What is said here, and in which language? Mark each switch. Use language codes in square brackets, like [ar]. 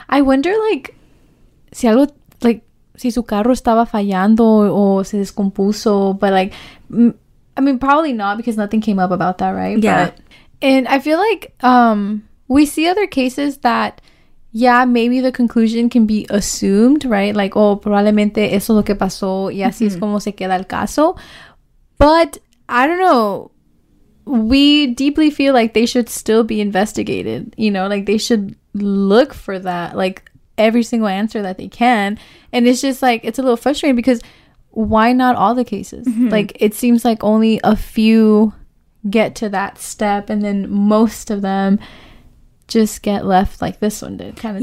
[en] I wonder, [es] like, si algo, like, si su carro estaba fallando o se descompuso. [en] But, like, I mean, probably not because nothing came up about that, right? Yeah. But, and I feel like we see other cases that, maybe the conclusion can be assumed, right? [es] Like, oh, probablemente eso es lo que pasó y así mm-hmm. es como se queda el caso. [en] But I don't know. We deeply feel like they should still be investigated, you know? Like, they should look for that, like, every single answer that they can. And it's just, like, it's a little frustrating because why not all the cases? Mm-hmm. Like, it seems like only a few... get to that step and then most of them just get left like this one did kind of